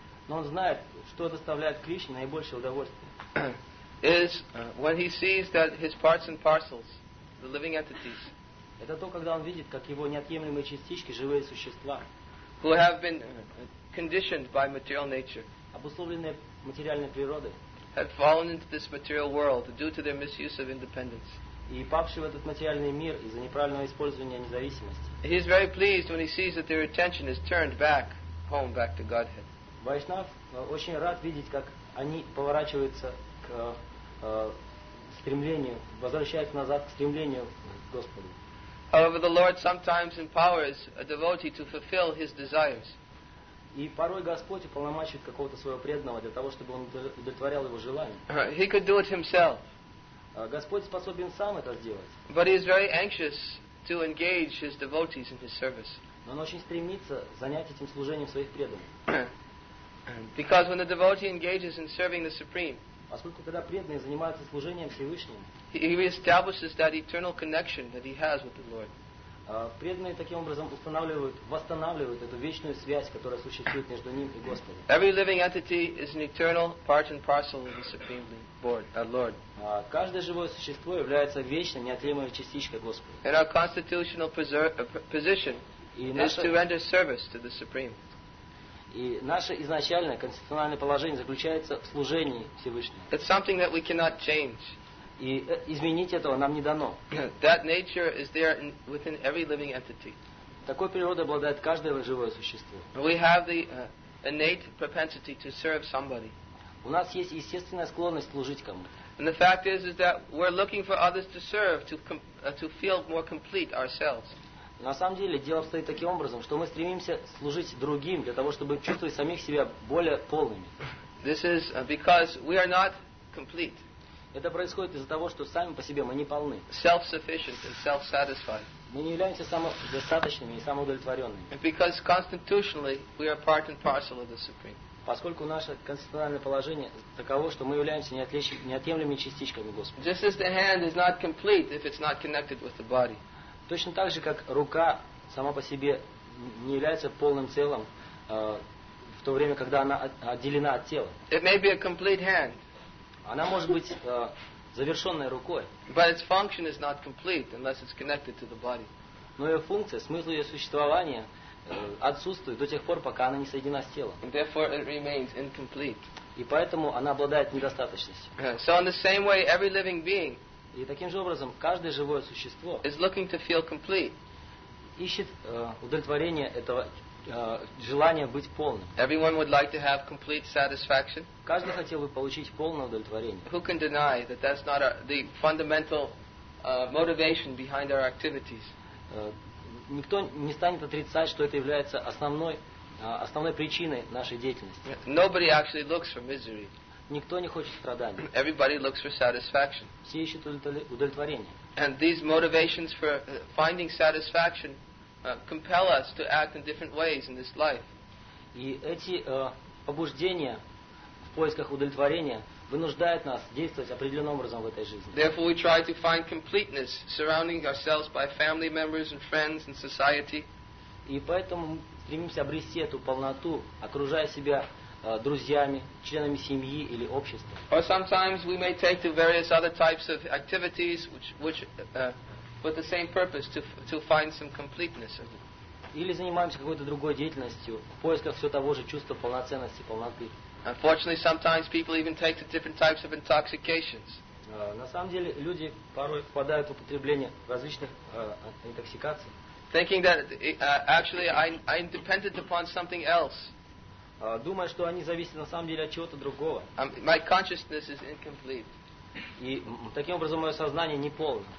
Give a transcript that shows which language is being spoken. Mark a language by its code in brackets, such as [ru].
[ru] Но он знает, что доставляет Кришне наибольшее удовольствие. [en] Is when he sees that his parts and parcels, the living entities. [ru] Это то, когда он видит, как его неотъемлемые частички, живые существа, [en] who have been conditioned by material nature, [ru] обусловленные материальной природой, [en] have fallen into this material world due to their misuse of independence. [ru] И павшие в этот материальный мир из-за неправильного использования независимости. [en] He is very pleased when he sees that their attention is turned back home, back to Godhead. [ru] Вайшнав очень рад видеть, как они поворачиваются к стремлению, возвращаются назад к стремлению к Господу. [en] However, the Lord sometimes empowers a devotee to fulfill his desires. [ru] И порой Господь уполномачивает какого-то своего преданного для того, чтобы он удовлетворял его желания. [en] He could do it himself. [ru] Господь способен сам это сделать. [en] But he is very anxious to engage his devotees in his service. [ru] Но он очень стремится занять этим служением своих преданных. [en] Because when the devotee engages in serving the Supreme, [ru] поскольку когда преданные занимаются служением Всевышним, [en] he establishes that eternal connection that he has with the Lord. [ru] Преданные таким образом восстанавливают эту вечную связь, которая существует между ним и Господом. [en] Every living entity is an eternal part and parcel of the Supreme Lord. [ru] Каждое живое существо является вечно неотъемлемой частичкой Господа. [en] And our constitutional position is to render service to the Supreme. [ru] И наше изначальное конституциональное положение заключается в служении Всевышнему. [en] It's something that we cannot change. [ru] И изменить этого нам не дано. [en] That nature is there within every living entity. [ru] Такой природой обладает каждое живое существо. [en] We have the innate propensity to serve somebody. [ru] У нас есть естественная склонность служить кому-то. [en] And the fact is that we're looking for others to serve to feel more complete ourselves. [ru] На самом деле дело обстоит таким образом, что мы стремимся служить другим для того, чтобы чувствовать самих себя более полными. [en] This is because we are not complete. [ru] Это происходит из-за того, что сами по себе мы не полны. [en] Self-sufficient and self-satisfied. [ru] Мы не являемся самодостаточными и самоудовлетворенными. [en] Because constitutionally we are part and parcel of the Supreme. [ru] Поскольку наше конституциональное положение таково, что мы являемся неотъемлемыми частичками Господа. [en] Just as the hand is not complete if it's not connected with the body. [ru] Точно так же, как рука сама по себе не является полным целым в то время, когда она отделена от тела. [en] It may be a complete hand. [ru] Она может быть завершенной рукой. [en] But its function is not complete unless it's connected to the body. [ru] Но ее функция, смысл ее существования отсутствует до тех пор, пока она не соединена с телом. [en] And therefore it remains incomplete. [ru] И поэтому она обладает недостаточностью. [en] So in the same way, every living being [ru] и таким же образом каждое живое существо [en] is looking to feel complete. [ru] Ищет удовлетворение этого желания быть полным. [en] Everyone would like to have complete satisfaction. [ru] Каждый хотел бы получить полное удовлетворение. [en] Who can deny that that's not the fundamental motivation behind our activities? [ru] Никто не станет отрицать, что это является основной причиной нашей деятельности. [en] Nobody actually looks for misery. [ru] Никто не хочет страданий. [en] Everybody looks for satisfaction. [ru] Все ищут удовлетворение. [en] And these motivations for finding satisfaction compel us to act in different ways in this life. [ru] И эти побуждения в поисках удовлетворения вынуждают нас действовать определенным образом в этой жизни. [en] Therefore, we try to find completeness, surrounding ourselves by family members and friends and society. [ru] И поэтому мы стремимся обрести эту полноту, окружая себя друзьями, членами семьи или общества. [en] Or sometimes we may take to various other types of activities which with the same purpose to find some completeness. [ru] Или занимаемся какой-то другой деятельностью в поисках все того же чувства полноценности, полноты. [en] Unfortunately, sometimes people even take to different types of intoxications. [ru] На самом деле люди порой впадают в употребление различных интоксикаций. [en] Thinking that actually I'm dependent upon something else. [ru] Думая, что они зависят на самом деле от чего-то другого. [en] My consciousness is incomplete. [ru] И таким образом мое сознание не полно.